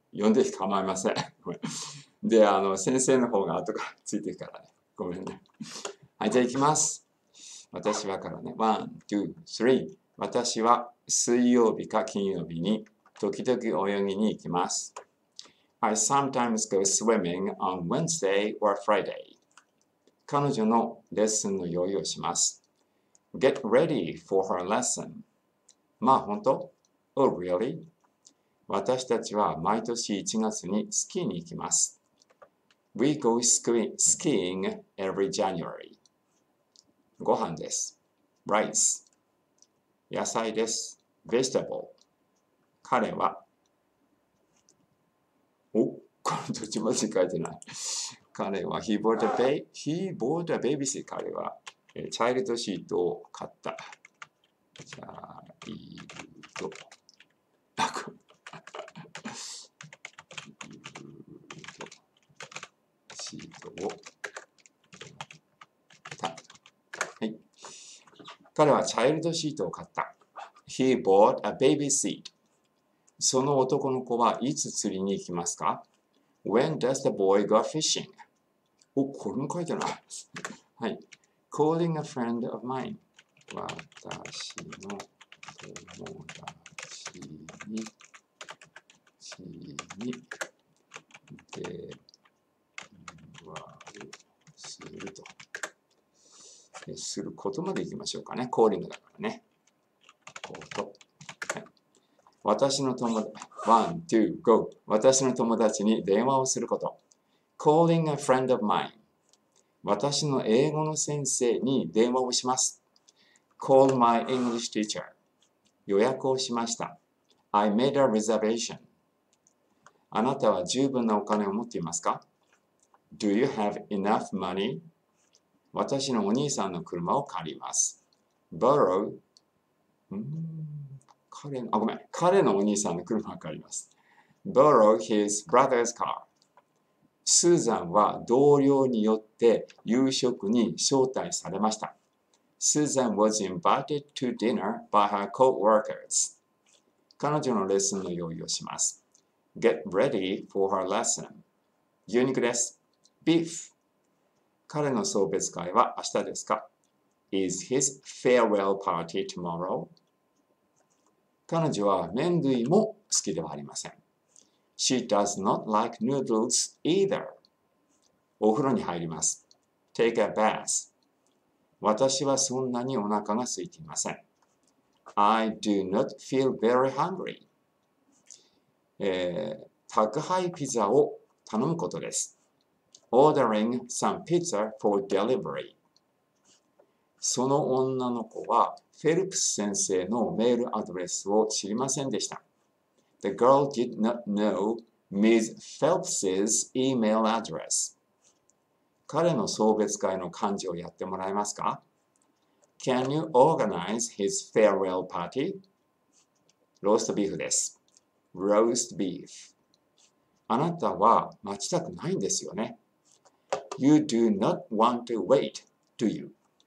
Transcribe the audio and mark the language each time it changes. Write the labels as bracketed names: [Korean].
[Japanese] 読んで構いませんで、先生の方が後からついてるからね、ごめんね。はい、じゃあ行きます。私はからね、 1,2,3。私は水曜日か金曜日に時々泳ぎに行きます。 [English] I sometimes go swimming on Wednesday or Friday. [Japanese] 彼女のレッスンの用意をします。 [English] Get ready for her lesson. [Japanese] まあ本当？ [English] Oh really? [Japanese] 私たちは毎年1月にスキーに行きます。 [English] We go skiing every January. [Japanese] ご飯です。 [English] Rice. [Japanese] 野菜です。 [English] Vegetable. [Japanese] 彼は、お、これどっちまで書いてない。彼は、 [English] he bought a baby seat [Japanese] 彼は、チャイルドシートを買った。チャイルド、あ、シートを買った。はい。彼はチャイルドシートを買った。 [English] he bought a baby seat. [Japanese] その男の子はいつ釣りに行きますか？ [English] When does the boy go fishing? [Japanese] お、これも書いてない。はい。 [English] Calling a friend of mine. [Japanese] 私の友達に、電話をすると。することまで行きましょうかね。Calling だからね。私の友達、私の友達に電話をすること。 [English] Calling a friend of mine. [Japanese] 私の英語の先生に電話をします。 [English] Call my English teacher. [Japanese] 予約をしました。 [English] I made a reservation. [Japanese] あなたは十分なお金を持っていますか ? [English] Do you have enough money? [Japanese] 私のお兄さんの車を借ります。 [English] Borrow? [Japanese] ごめん彼のお兄さんの車を借ります。 [English] Borrow his brother's car. [Japanese] スーザンは同僚によって夕食に招待されました。 [English] Susan was invited to dinner by her co-workers. [Japanese] 彼女のレッスンの用意をします。 [English] Get ready for her lesson. [Japanese] 牛肉です。 [English] Beef. [Japanese] 彼の送別会は明日ですか ? [English] Is his farewell party tomorrow? [Japanese] 彼女は麺類も好きではありません。 [English] She does not like noodles either. [Japanese] お風呂に入ります。 [English] Take a bath. [Japanese] 私はそんなにお腹が空いていません。 [English] I do not feel very hungry. [Japanese] 宅配ピザを頼むことです。 [English] Ordering some pizza for delivery. [Japanese] その女の子はフェルプス先生のメールアドレスを知りませんでした。 [English] The girl did not know Ms. Phelps's email address. [Japanese] 彼の送別会の幹事をやってもらえますか ? [English] Can you organize his farewell party? [Japanese] ローストビーフです。 [English] Roast beef. [Japanese] あなたは待ちたくないんですよね。 [English] You do not want to wait, do you?